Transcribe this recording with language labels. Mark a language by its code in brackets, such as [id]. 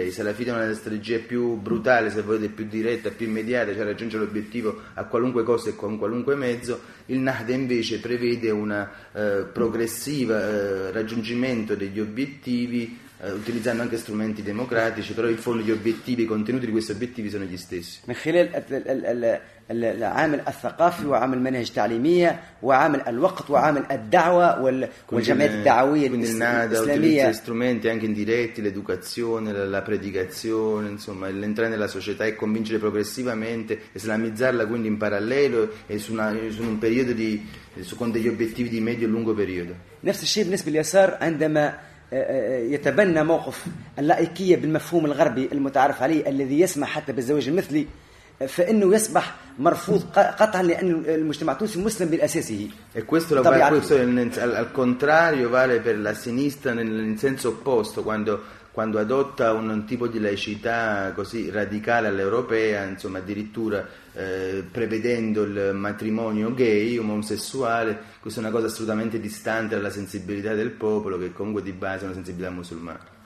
[it] I salafiti hanno una strategia più brutale, se volete più diretta, più immediata, cioè raggiungere l'obiettivo a qualunque cosa e con qualunque mezzo. Il Nahda invece prevede una progressiva raggiungimento degli obiettivi utilizzando anche strumenti democratici, però in fondo gli obiettivi, i contenuti di questi obiettivi sono gli stessi. [ar] من خلال العامل الثقافي وعامل المناهج التعليمية وعامل الوقت وعامل الدعوة والجمعيات الدعوية الإسلامية. [it] Utilizza strumenti anche indiretti, l'educazione, la predicazione, insomma, l'entrare nella società e convincere progressivamente, islamizzarla quindi in parallelo e su un periodo di con degli obiettivi di medio e lungo periodo. [ar] نفس الشيء بالنسبة لليسار عندما يتبنى موقف اللائكية بالمفهوم الغربي المتعارف عليه الذي يسمح حتى بالزواج المثلي فإنه يصبح مرفوض قطعا لأن المجتمع التونسي مسلم بالأساسه. [it] E questo lo vale, questo al contrario vale per la sinistra nel senso opposto, quando adotta un tipo di laicità così radicale all'europea, insomma addirittura prevedendo il matrimonio gay, omosessuale, questa è una cosa assolutamente distante dalla sensibilità del popolo, che comunque di base è una sensibilità musulmana.